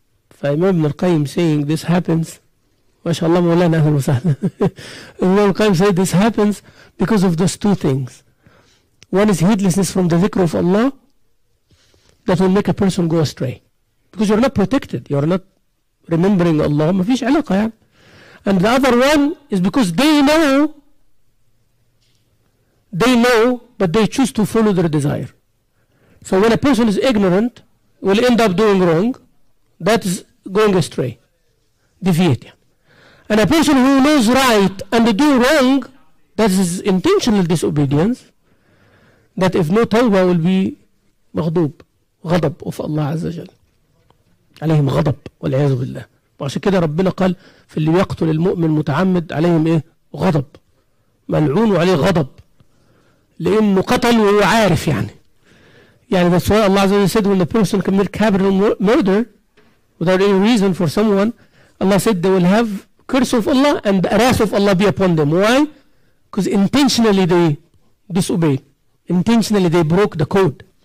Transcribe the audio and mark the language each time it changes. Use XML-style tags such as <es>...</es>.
<ar>فإمام ابن القيم</ar> <en>saying this happens.</en> <ar>ما شاء الله مولانا أهل وسهلا.</ar> <en>إمام ابن القيم say this happens because of those two things. One is heedlessness from the ذكر of Allah that will make a person go astray. Because you're not protected, you're not remembering Allah.</en> <ar>ما فيش علاقة يعني.</ar> <en>And the other one is because they know, but they choose to follow their desire. So when a person is ignorant, will end up doing wrong, that is going astray, deviate. And a person who knows right and do wrong, that is intentional disobedience, that if no tawbah will be maghdoob, غضب of Allah عز وجل.</en> <ar>عليهم غضب والعياذ بالله. وعشان كده ربنا قال في اللي يقتل المؤمن متعمد عليهم ايه؟ غضب، ملعون عليه غضب، لانه قتل وهو عارف يعني. يعني بس هو</ar> <en>الله</en> <ar>عز وجل</ar> <en>said when the person commit capital murder without any reason for someone, Allah said they will have curse of Allah and wrath of Allah be upon them. Why? Because intentionally they disobeyed, intentionally they broke the code.</en>